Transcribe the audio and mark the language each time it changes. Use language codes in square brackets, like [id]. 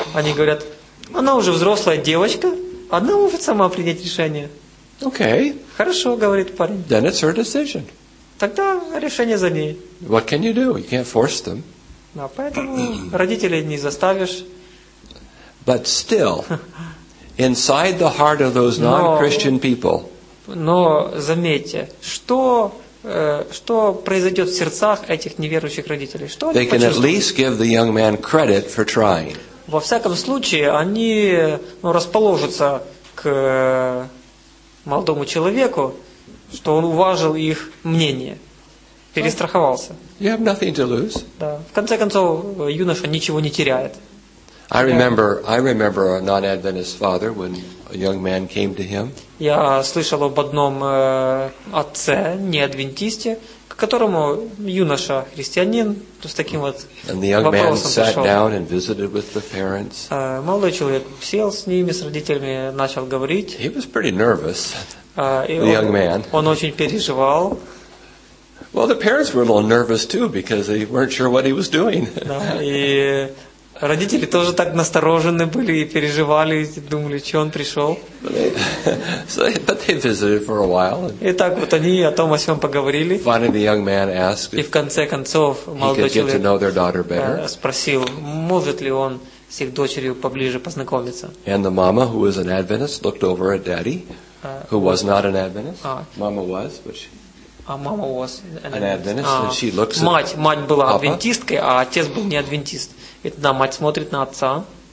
[ru] Они говорят, она уже взрослая девочка, она может сама принять решение. [en] Okay. [ru] Хорошо, говорит парень. [en] Then it's her decision. [ru] Тогда решение за ней. [en] What can you do? You can't force them. [ru] Но поэтому родителей не заставишь. [en] But still... Inside the heart of those non-Christian people. [ru] Но заметьте, что произойдет в сердцах этих неверующих родителей? Что [en] they can at least give the young man credit for trying. [ru] Во всяком случае, они расположатся к молодому человеку, что он уважил их мнение, перестраховался. [en] You have nothing to lose. [ru] Да. В конце концов, юноша ничего не теряет. [en] I remember a non-Adventist father when a young man came to him. [ru] Я слышал об одном отце неадвентисте, к которому юноша христианин с таким вот вопросом пришел. Молодой человек сел с ними, с родителями, начал говорить. [en] He was pretty nervous. The young man. [ru] Он очень переживал. [en] Well, the parents were a little nervous too because they weren't sure what he was doing. [ru] Да, и родители тоже так насторожены были и переживали, и думали, что он пришел. [en] But they visited for a while. [ru] И так вот они о том о всем поговорили. [en] Finally, the young man asked. [ru] И в конце концов молодой человек. [en] He could get to know their daughter better. [ru] Спросил, может ли он с их дочерью поближе познакомиться. [en] And the mama, who was an Adventist, looked over at daddy, who was not an Adventist. Mama was, but she. [ru] А мама у вас [en] Adventist. [ru] Мать была адвентисткой, а отец был не адвентист. И тогда мать смотрит на отца.